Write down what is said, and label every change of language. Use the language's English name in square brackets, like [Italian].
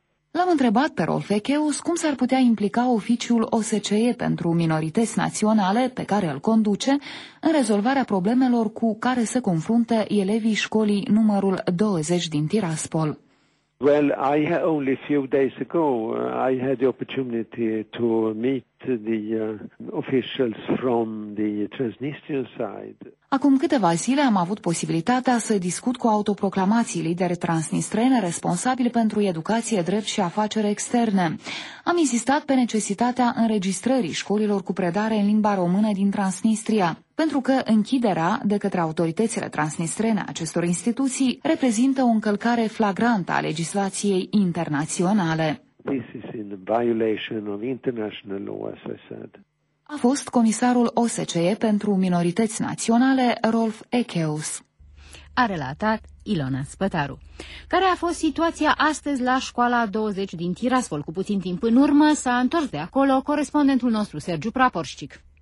[Romanian] L-am întrebat pe Rolf Ekeus cum s-ar putea implica oficiul OSCE pentru minorități naționale pe care îl conduce în rezolvarea problemelor cu care se confruntă elevii școlii numărul 20 din Tiraspol. [English] Well, I only a few days ago I had the opportunity to meet the officials from the Transnistrian side. [Romanian] Acum câteva zile am avut posibilitatea să discut cu autoproclamații lideri transnistreni responsabili pentru educație, drept și afaceri externe. Am insistat pe necesitatea înregistrării școlilor cu predare în limba română din Transnistria, pentru că închiderea de către autoritățile transnistrene acestor instituții reprezintă o încălcare flagrantă a legislației internaționale. [English] This is in violation of international law, as I said. [Romanian] A fost comisarul OSCE pentru minorități naționale, Rolf Ekeus. A relatat Ilona Spătaru. Care a fost situația astăzi la școala 20 din Tiraspol? Cu puțin timp în urmă s-a întors de acolo corespondentul nostru, Sergiu Praporșcic.